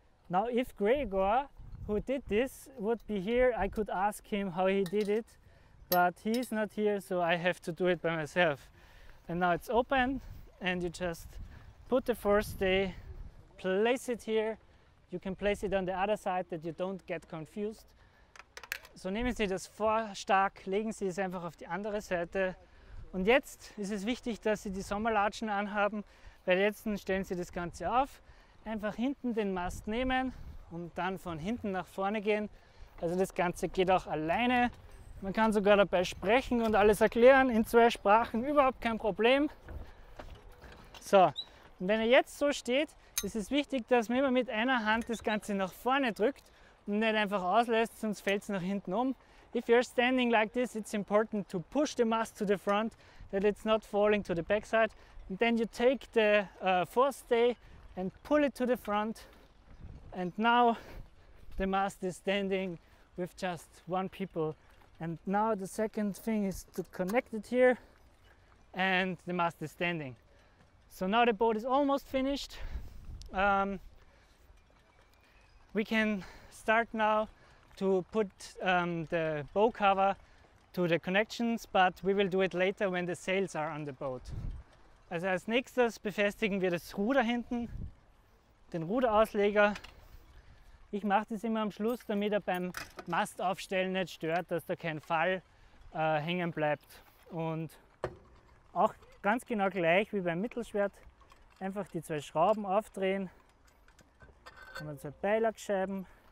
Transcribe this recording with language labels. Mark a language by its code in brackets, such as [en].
[en] Now, if Gregor, who did this, would be here, I could ask him how he did it, but he's not here, so I have to do it by myself. And now it's open, and you just put the first stay, place it here. You can place it on the other side that you don't get confused. [de] So nehmen Sie das Vorstag, legen Sie es einfach auf die andere Seite. Und jetzt ist es wichtig, dass Sie die Sommerlatschen anhaben, weil jetzt stellen Sie das Ganze auf. Einfach hinten den Mast nehmen und dann von hinten nach vorne gehen. Also das Ganze geht auch alleine. Man kann sogar dabei sprechen und alles erklären in zwei Sprachen. Überhaupt kein Problem. So, und wenn er jetzt so steht, ist es wichtig, dass man immer mit einer Hand das Ganze nach vorne drückt. Nicht einfach auslässt, sonst fällt es nach hinten um. [en] If you're standing like this, it's important to push the mast to the front, that it's not falling to the backside. And then you take the forestay and pull it to the front. And now the mast is standing with just one people. And now the second thing is to connect it here, and the mast is standing. So now the boat is almost finished. We can start now to put the bow cover to the connections, but we will do it later when the sails are on the boat. [de] Also als nächstes befestigen wir das Ruder hinten, den Ruderausleger. Ich mache das immer am Schluss, damit er beim Mast aufstellen nicht stört, dass da kein Fall hängen bleibt. Und auch ganz genau gleich wie beim Mittelschwert, einfach die zwei Schrauben aufdrehen und unsere Beilagscheiben.